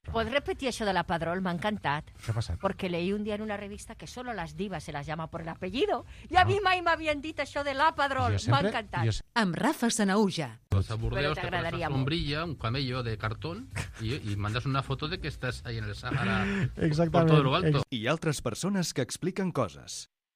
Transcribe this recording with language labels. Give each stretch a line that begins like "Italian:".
Spanish: ¿Puedes repetir eso de la Padrol? Me ha encantado. ¿Qué ha pasado? Porque leí un día en una revista que solo las divas se las llama por el apellido. Y a mí
Catalan: mai m'havien dit això de la Padrol.
Spanish: Me ha encantado.
Catalan: Amb Rafa Sanahuja.
Spanish: Los aburdeos te pones una sombrilla, un camello de cartón y mandas una foto de que estás ahí en el Sahara. Exactamente. Por todo lo alto. Y otras personas que explican cosas.